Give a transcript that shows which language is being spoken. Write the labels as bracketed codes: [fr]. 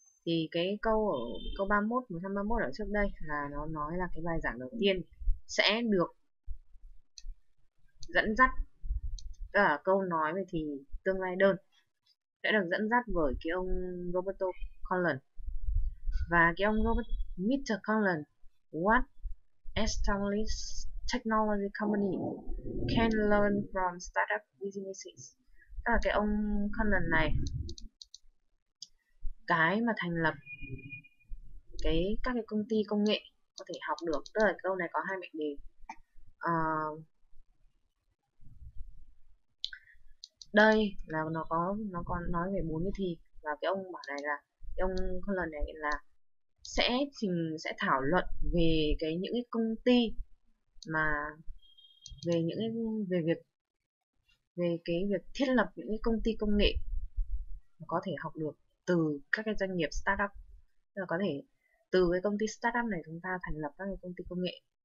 [vi] Thì cái câu 31, 131 ở trước đây là nó nói là cái bài giảng đầu tiên sẽ được dẫn dắt, tức là câu nói về thì tương lai đơn sẽ được dẫn dắt bởi cái ông Roberto Collins. Và cái ông Mr. [en] Collins, what established technology company can learn from startup businesses? [vi] Tức là cái ông Collins này, cái mà thành lập cái các cái công ty công nghệ có thể học được. Tức là câu này có hai mệnh đề. Đây là nó có nói về bốn cái thì, và cái ông bảo này là cái ông con lần này là sẽ thảo luận về cái những cái công ty mà về việc thiết lập những cái công ty công nghệ có thể học được từ các cái doanh nghiệp startup, tức là có thể từ cái công ty startup này chúng ta thành lập các cái công ty công nghệ.